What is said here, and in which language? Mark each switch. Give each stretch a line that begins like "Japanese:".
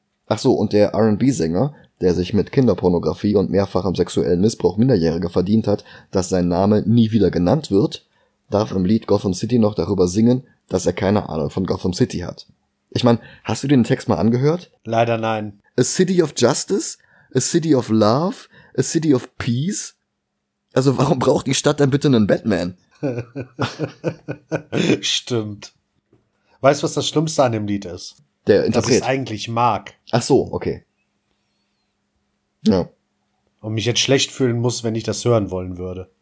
German: Ach so, und der R&B-Sänger, der sich mit Kinderpornografie und mehrfachem sexuellen Missbrauch Minderjähriger verdient hat, dass sein Name nie wieder genannt wird, darf im Lied Gotham City noch darüber singen, dass er keine Ahnung von Gotham City hat. Ich meine, hast du den Text mal angehört? Leider nein.
English: A city of justice? A city of love? A city of peace?
German: Also warum braucht die Stadt denn bitte einen Batman? Stimmt. Weißt du, was das Schlimmste an dem Lied ist? Der Interpret. Dass ich es eigentlich mag. Ach so, okay. Ja. Und mich jetzt schlecht fühlen muss, wenn ich das hören wollen würde.